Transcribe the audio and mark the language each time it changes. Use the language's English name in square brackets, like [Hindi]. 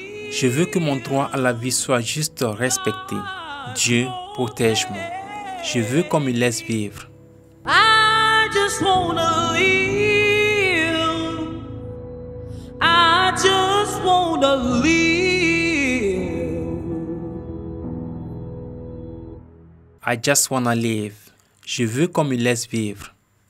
[French] Je veux que mon droit à la vie soit juste respecté. Dieu, protège-moi. Je veux qu'on me laisse vivre. [English] I just wanna live. I just wanna live. I just wanna live. [French] Je veux qu'on me laisse vivre.